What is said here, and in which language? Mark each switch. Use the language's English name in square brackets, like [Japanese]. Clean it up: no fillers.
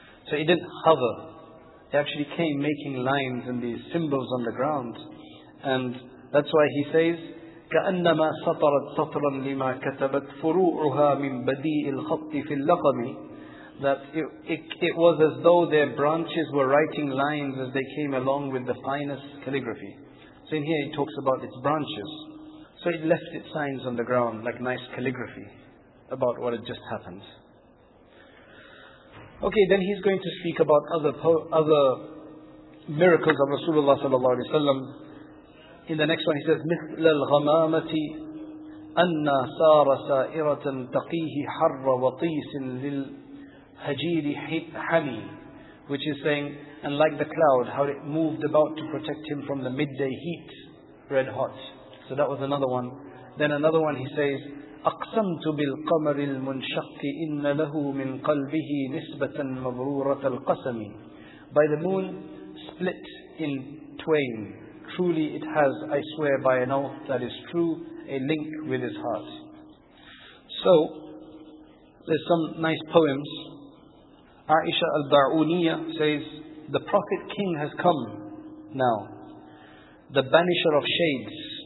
[English] So it didn't hover. It actually came making lines and these symbols on the ground. And that's why he says, [Arabic] كَأَنَّمَا سَطَرَتْ سَطْرًا لِمَا كَتَبَتْ فُرُوعُهَا مِنْ بَدِيءِ الْخَطِّ فِي اللَّقَمِ. [English] That it was as though their branches were writing lines as they came along with the finest calligraphy. So in here it talks about its branches. So it left its signs on the ground, like nice calligraphy, about what had just happened. Okay, then he's going to speak about other miracles of Rasulullah sallallahu alaihi wasallam. In the next one he says, [Arabic] مِثْلَ الْغَمَامَةِ أَنَّا سَارَ سَائِرَةً تَقِيهِ حَرَّ وَطِيسٍ لِلْ [English] Hajiri Hami, which is saying, and like the cloud, how it moved about to protect him from the midday heat, red hot. So that was another one. Then another one, he says, [Arabic] أَقْسَمْتُ بِالْقَمَرِ الْمُنْشَقِّ إِنَّ لَهُ مِنْ قَلْبِهِ نِسْبَةً مَضْرُورَةَ الْقَسَمِ. [English] By the moon, split in twain. Truly it has, I swear by an oath that is true, a link with his heart. So, there's some nice poems. Aisha al-Ba'uniyya says, the Prophet King has come now, the banisher of shades.